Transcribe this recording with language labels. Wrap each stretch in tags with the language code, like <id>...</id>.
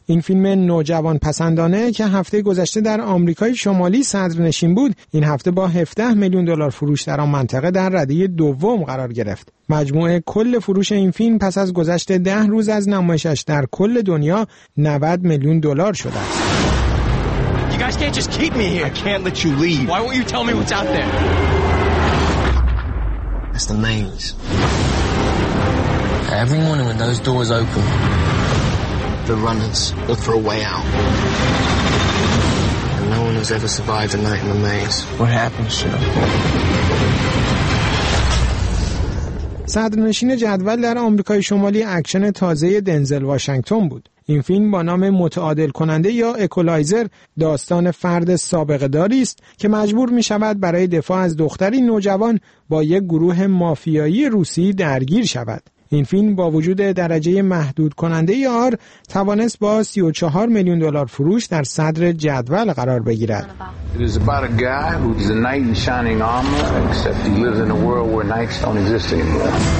<fa>این فیلم نوجوان پسندانه که هفته گذشته در آمریکای شمالی صدر نشین بود، این هفته با 17 میلیون دلار فروش در آن منطقه در رده دوم قرار گرفت. مجموعه کل فروش این فیلم پس از گذشت 10 روز از نمایشش در کل دنیا 90 میلیون دلار شده است.</fa> <en>You guys can't just keep me here. I can't let you leave. Why won't you tell me what's out there? It's the mains. Every morning when those doors open, the runners look for a way out. And no one has ever survived a night in the mains. What happens to them?</en> <fa>صدرنشین جدول در آمریکای شمالی اکشن تازه دنزل واشنگتن بود. این فیلم با نام متعادل کننده یا اکولایزر داستان فرد سابقه داری است که مجبور می شود برای دفاع از دختری نوجوان با یک گروه مافیایی روسی درگیر شود. این فیلم با وجود درجه محدود کننده آر توانست با 34 میلیون دلار فروش در صدر جدول قرار بگیرد.</fa> <en>It is about a guy who is a knight in shining armor, except he lives in a world where knights don't exist anymore.</en>